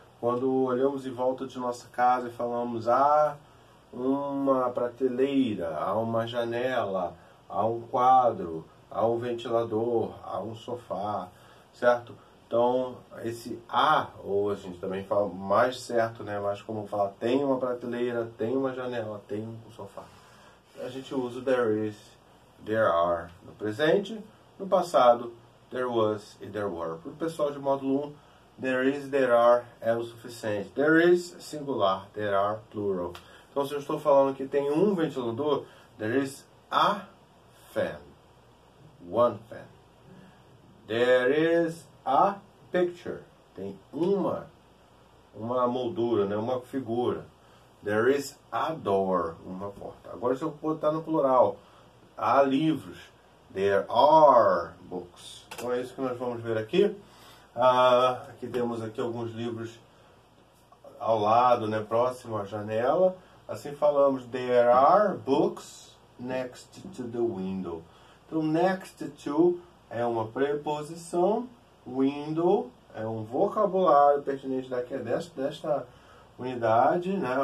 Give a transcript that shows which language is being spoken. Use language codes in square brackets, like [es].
[pt] Quando olhamos em volta de nossa casa e falamos há uma prateleira, há uma janela, há um quadro, há um ventilador, há um sofá, certo? Então, esse há, ou a gente também fala mais certo, né? Mas como fala, tem uma prateleira, tem uma janela, tem um sofá. A gente usa there is, there are no presente, no passado, there was e there were. Para o pessoal de módulo 1, there is, there are é o suficiente. [en] There is, singular, there are, plural. [pt] Então, se eu estou falando que tem um ventilador, [en] there is a fan, one fan. There is a picture, [pt] tem uma moldura, né, uma figura. [en] There is a door, [pt] uma porta. Agora, se eu botar no plural, há livros. [en] There are books. [pt] Então, é isso que nós vamos ver aqui. Aqui temos aqui alguns livros ao lado, né, próximo à janela. Assim falamos, [en] there are books next to the window. [pt] Então, next to é uma preposição. Window é um vocabulário pertinente daqui, desta unidade, né?